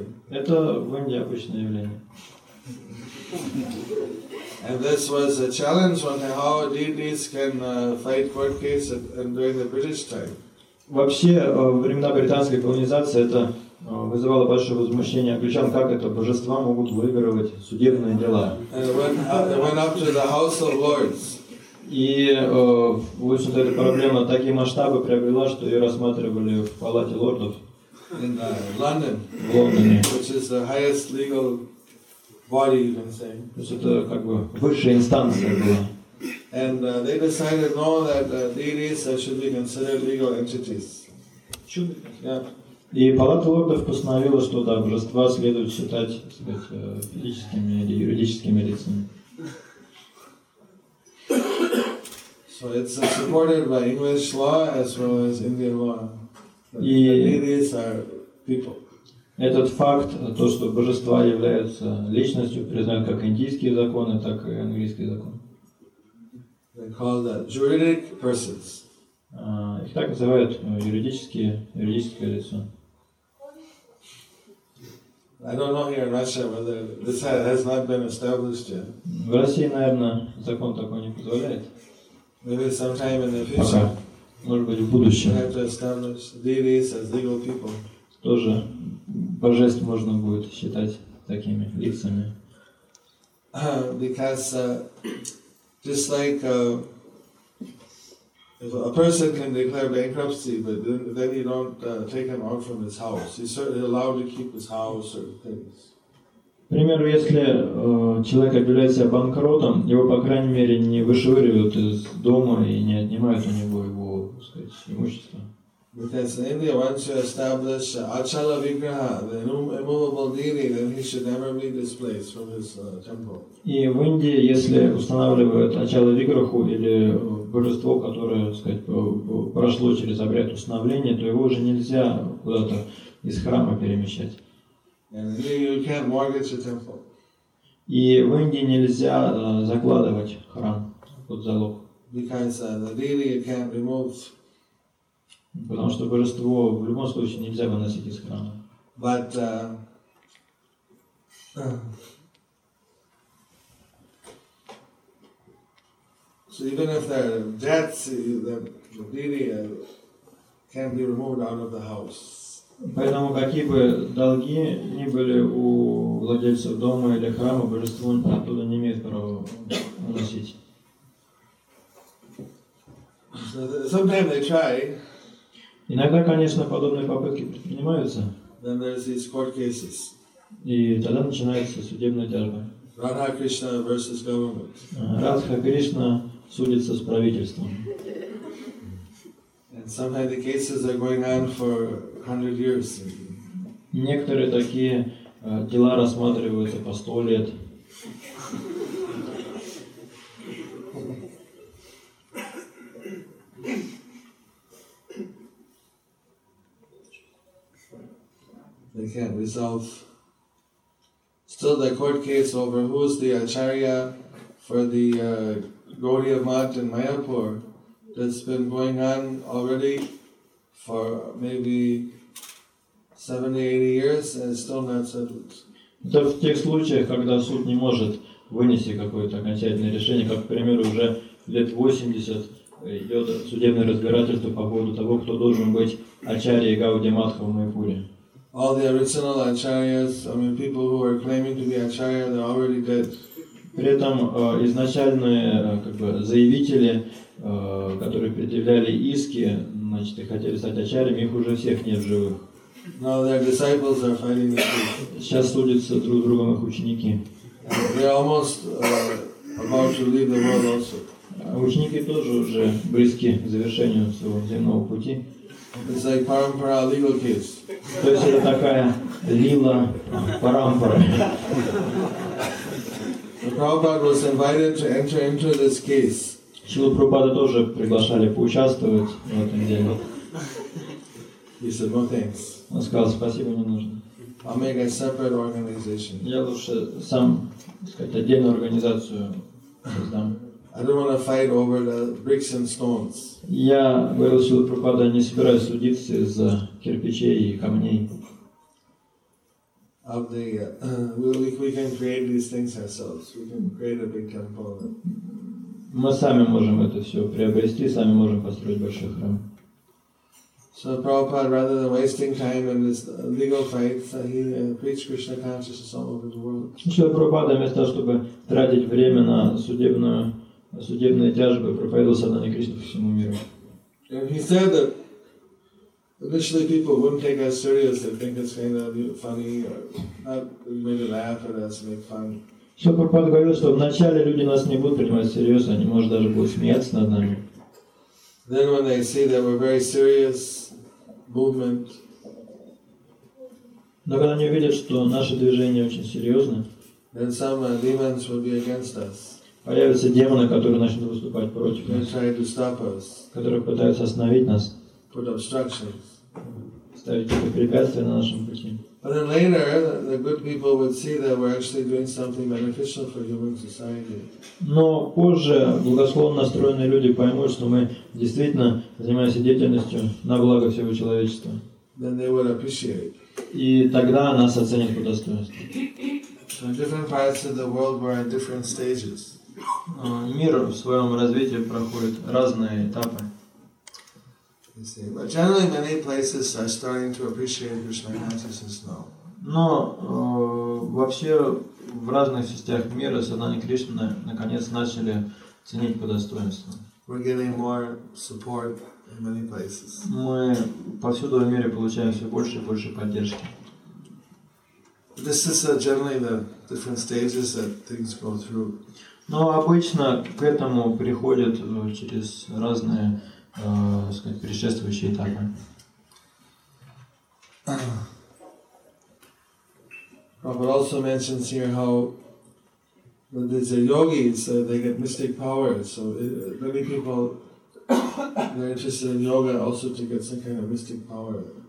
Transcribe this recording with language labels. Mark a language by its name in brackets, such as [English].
[Russian] Это в Индии обычное явление. [English] And this was a challenge on how deities can fight court cases during the British time. [Russian] Вообще, во времена британской колонизации это вызывало большое возмущение англичан, как это божества могут выигрывать судебные дела. [English] Went up to the House of Lords. [Russian] И вот сюда эта проблема такие масштабы приобрела, что ее рассматривали в Палате лордов. [English] In London. [Russian] В Лондоне. [English] Which is the highest legal body, you can say. [Russian] То есть это как бы высшая инстанция была. [English] And they decided now that deities should be considered legal entities. [Russian] И Палата лордов постановила, что да, божества следует считать, так сказать, физическими или юридическими лицами. [English] So it's supported by English law as well as Indian law. Deities are people. [Russian] Этот факт, то, что божества являются личностью, признают как индийские законы, так и английские законы. [English] They call that juridic persons. [Russian] Их так называют юридическое лицо. [English] I don't know here in Russia whether this has not been established yet. [Russian] В России, наверное, закон такой не позволяет. [English] Maybe sometime in the future. [Russian] Может быть, в будущем. [English] We have to establish deities as legal people. [Russian] Тоже божеств можно будет считать такими лицами. [English] Because just like if a person can declare bankruptcy, but then you don't take him out from his house. He's certainly allowed to keep his house or things. [Russian] К примеру, если человек объявляет себя банкротом, его, по крайней мере, не вышвыривают из дома и не отнимают у него его, так сказать, имущество. [English] Because in India, once you establish Achala Vigraha, the immovable deity, then he should never be displaced from his temple. [Russian] И в Индии, если устанавливают Achala Vigraha или божество, которое, так сказать, прошло через обряд установления, то его уже нельзя куда-то из храма перемещать. [English] And in India, you can't mortgage a temple. [Russian] И в Индии нельзя закладывать храм под залог. [English] Because the deity you can't remove. [Russian] Потому что божество в любом случае нельзя выносить из храма. [English] But so even if there are debts, the deity can be removed out of the house. [Russian] Поэтому какие бы долги ни были у владельцев дома или храма, божество оттуда не имеет права выносить. [English] Sometimes they try. [Russian] Иногда, конечно, подобные попытки предпринимаются. [English] Then there's these court cases. [Russian] И тогда начинается судебная тяжба. [English] Radha Krishna versus government. [Russian] Радха Кришна судится с правительством. [English] And sometimes the cases are going on for 100 years. [Russian] Некоторые такие дела рассматриваются по 100 лет. [English] They can't resolve. Still, the court case over who's the acharya for the Gaudiya Math in Mayapur that's been going on already for maybe 70-80 years and still not settled. [Russian] Это в тех случаях, когда суд не может вынести какое-то окончательное решение, как, к примеру, уже лет 80 идет судебное разбирательство по поводу того, кто должен быть ачарьей Гауди Матха в Майпуре. [English] All the original acharyas, I mean, people who are claiming to be acharya, they're already dead. [Russian] При этом изначальные, как бы, заявители, которые предъявляли иски, значит, и хотели стать ачарьями, их уже всех нет в живых. [English] Now their disciples are fighting the truth. [Russian] Сейчас судятся друг с другом их ученики. [English] They're almost about to leave the world also. [Russian] Ученики тоже уже близки к завершению своего земного пути. [English] It's like parampara legal case. [Russian] То есть это такая лила парампара. [English] The Prabhupada was invited to enter into this case. [Russian] Шрила Прабхупада тоже приглашали поучаствовать в этом деле. [English] He said no thanks. [Russian] Он сказал спасибо, не нужно. [English] I'll make a separate organization. [Russian] Я лучше сам, так сказать, отдельную организацию создам. [English] I don't want to fight over the bricks and stones. [Russian] Я говорил Силу Прабхупаде, не собираюсь судиться из-за кирпичей и камней. [English] Of the we can create these things ourselves. We can create a big temple. [Russian] Мы сами можем это все приобрести, сами можем построить большой храм. [English] So Prabhupada, rather than wasting time in this legal fight, he preached Krishna consciousness all over the world. [Russian] Сила Прабхупада, вместо того, чтобы тратить время на судебные тяжбы, проповедовался на Кришну всему миру. [English] And he said that initially people wouldn't take us serious, they'd think it's kind of funny, or not maybe laugh at us, make fun. [Russian] Сила Прабхупада говорил, что вначале люди нас не будут принимать серьезно, они, может, даже будут смеяться над нами. [English] Then when they see that we're very serious movement. [Russian] Но когда они увидят, что наше движение очень серьезное, [English] then some demons will be against us. [Russian] Появятся демоны, которые начнут выступать против нас. [English] They try to stop us. [Russian] Которые пытаются остановить нас. [English] Put obstructions. [Russian] Ставить какие-то препятствия на нашем пути. [English] But then later, the good people would see that we're actually doing something beneficial for human society. [Russian] Но позже благосклонно настроенные люди поймут, что мы действительно занимаемся деятельностью на благо всего человечества. [English] Then they would appreciate. [Russian] И тогда нас оценят по достоинству. [English] So different parts of the world were at different stages. [Russian] Мир в своем развитии проходит разные этапы. [English] But generally, many places are starting to appreciate Krishna consciousness now. [Russian] Но вообще в разных частях мира сознание Кришны наконец начали ценить по достоинству. [English] We're getting more support in many places. [Russian] Мы повсюду в мире получаем все больше и больше поддержки. [English] This is generally the different stages that things go through. [Russian] Но обычно к этому приходят через разные сказать, предшествующие этапы. [English] Prabhupada also mentions here how the yogis, they get mystic powers. So many people that are interested in yoga also to get some kind of mystic power.